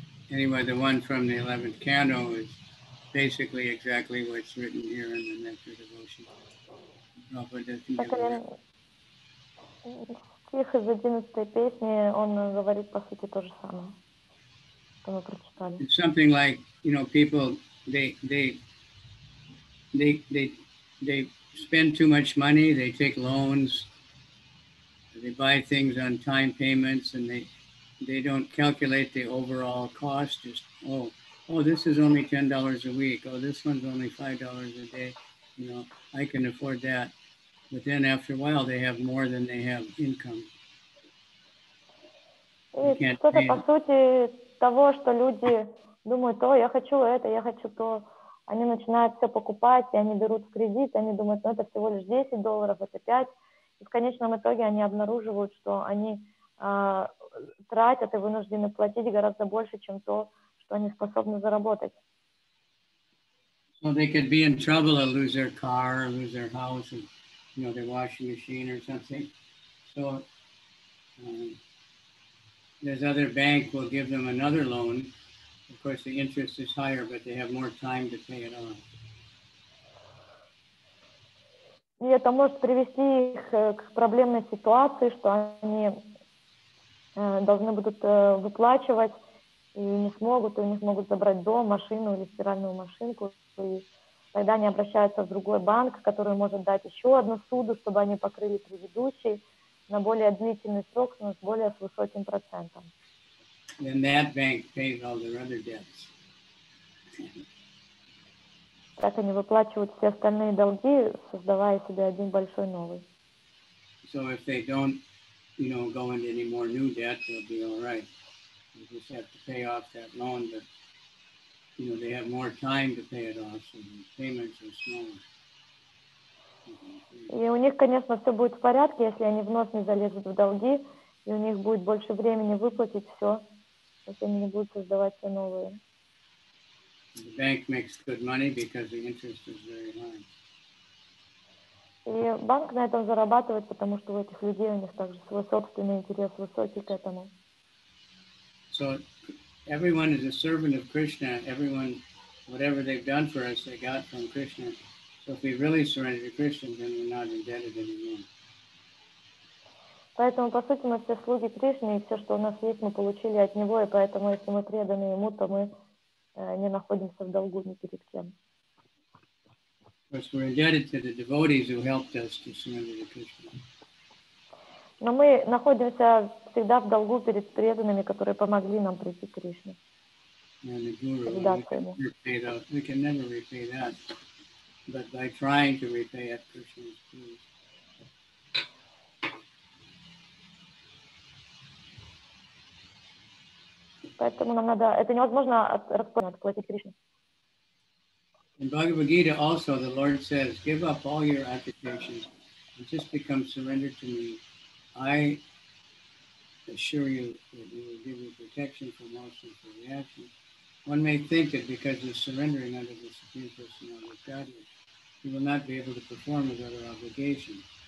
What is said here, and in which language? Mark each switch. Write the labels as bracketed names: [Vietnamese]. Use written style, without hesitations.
[English] Anyway, the one from the 11th canto is basically exactly what's written here in the Nectar Devotion. Prabhupada doesn't give it. [Russian] Стих из 11 песни, он говорит, по сути, то же самое, что мы прочитали. [English] It's something like, you know, people, they spend too much money, they take loans, they buy things on time payments, and they don't calculate the overall cost, just, oh, this is only $10 a week, oh, this one's only $5 a day, you know, I can afford that. But then after a while, they have more than they have income. [Russian] Что-то по сути того, что люди думают, я хочу это, я хочу то. Они начинают все покупать, и они берут в кредит, они думают, это всего лишь $10, это 5. И в конечном итоге они обнаруживают, что они тратят и вынуждены платить гораздо больше, чем то, что они способны заработать. [English] So they could be in trouble and lose their car, or lose their house, and, you know, their washing machine or something. So this other bank will give them another loan. Of course, the interest is higher, but they have more time to pay it off. [Russian] И это может привести их к проблемной ситуации, что они должны будут выплачивать и не смогут, и у них могут забрать дом, машину или стиральную машинку. И тогда они обращаются в другой банк, который может дать еще одну суду, чтобы они покрыли предыдущий на более длительный срок, но с более высоким процентом. [English] Then that bank pays all their other debts. [Russian] Так они выплачивают все остальные долги, создавая себе один большой новый. [English] So if they don't, you know, go into any more new debt, they'll be all right. They just have to pay off that loan, but, you know, they have more time to pay it off, so the payments are smaller. [Russian] И у них, конечно, все будет в порядке, если они вновь не залезут в долги, и у них будет больше времени выплатить все, если они не будут создавать все новые. [English] The bank makes good money because the interest is very high. [Russian] И банк на этом зарабатывает, потому что у этих людей у них также свой собственный интерес высокий к этому. [English] So everyone is a servant of Krishna. Everyone, whatever they've done for us, they got from Krishna. So if we really surrender to Krishna, then we're not indebted anymore. [Russian] Поэтому, по сути, мы все слуги Кришны, и все, что у нас есть, мы получили от Него, и поэтому, если мы преданы Ему, то мы не находимся в долгу ни перед кем. [English] Of course, we're indebted to the devotees who helped us to surrender to Krishna. [Russian] Но мы находимся всегда в долгу перед преданными, которые помогли нам прийти к Кришне. [English] And the guru, we can never repay that. But by trying to repay it, Krishna is pleased. [Russian] Поэтому нам надо, это невозможно отплатить Кришне. [English] In Bhagavad Gita also, the Lord says, give up all your occupations and just become surrendered to me. I assure you that he will give you protection from all sinful reactions. One may think that because of surrendering under the Supreme Personality of Godhead, he will not be able to perform his other obligations.